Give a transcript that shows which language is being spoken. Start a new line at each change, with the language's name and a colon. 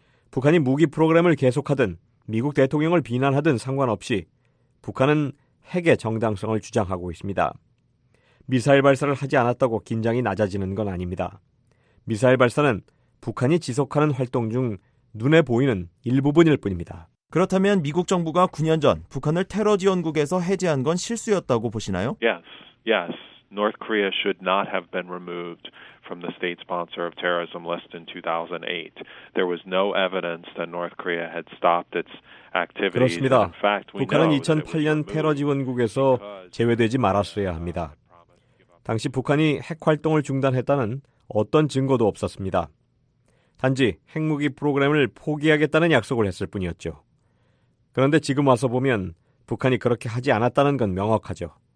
Korean: 북한이 무기 프로그램을 계속하든 미국 대통령을 비난하든 상관없이 북한은 핵의 정당성을 주장하고 있습니다. 미사일 발사를 하지 않았다고 긴장이 낮아지는 건 아닙니다. 미사일 발사는 북한이 지속하는 활동 중 눈에 보이는 일부분일 뿐입니다. 그렇다면 미국 정부가 9년 전 북한을 테러 지원국에서 해제한 건 실수였다고 보시나요?
English: Yes, yes. North Korea should not have been removed from the state sponsor of terrorism list in 2008. There was no evidence that North Korea had stopped its activities.
Korean: 그렇습니다. 북한은 2008년 테러 지원국에서 제외되지 말았어야 합니다. 당시 북한이 핵 활동을 중단했다는 어떤 증거도 없었습니다. 단지 핵무기 프로그램을 포기하겠다는 약속을 했을 뿐이었죠. 그런데 지금 와서 보면 북한이 그렇게 하지 않았다는 건 명확하죠.